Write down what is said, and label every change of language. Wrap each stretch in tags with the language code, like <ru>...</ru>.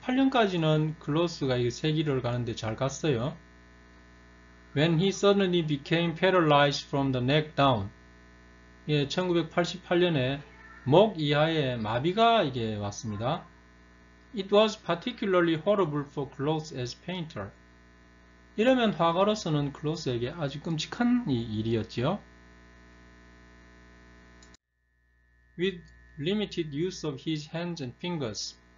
<ko>1988년까지는 클로스가 이 세기를 가는데 잘 갔어요.</ko> <en>When he suddenly became paralyzed from the neck down.</en> <ko>예, 1988년에 목 이하에 마비가 이게 왔습니다.</ko> <en>It was particularly horrible for Close as painter.</en> <ko>이러면 화가로서는 클로스에게 아주 끔찍한 일이었지요.</ko> <en>With limited use of his hands and fingers.</en>